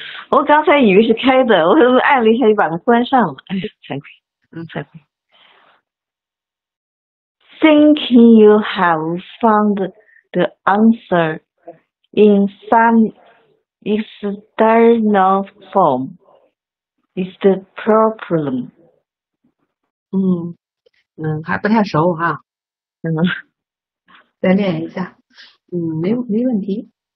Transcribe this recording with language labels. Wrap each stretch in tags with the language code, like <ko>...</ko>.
<zh>我刚才以为是开的，我按了一下就把它关上了。哎，惭愧，惭愧。</zh> <en>Thinking you have found the answer in some external form is the problem.</en> <zh>还不太熟哈，再练一下，没问题。</zh>